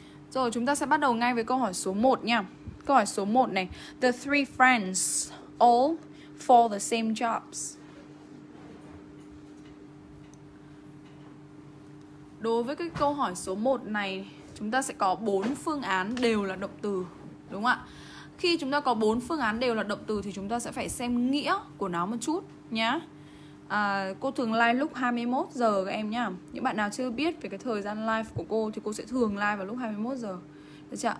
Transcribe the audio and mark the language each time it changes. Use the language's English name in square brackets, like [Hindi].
[Vietnamese] Rồi chúng ta sẽ bắt đầu ngay với câu hỏi số 1 nha. Câu hỏi số 1 này. [English] The three friends all for the same jobs. [Vietnamese] Đối với cái câu hỏi số 1 này, chúng ta sẽ có 4 phương án đều là động từ, đúng không ạ? Khi chúng ta có 4 phương án đều là động từ thì chúng ta sẽ phải xem nghĩa của nó một chút nhá. À, cô thường live lúc 21 giờ các em nhá. Những bạn nào chưa biết về cái thời gian live của cô thì cô sẽ thường live vào lúc 21 giờ. Được chưa?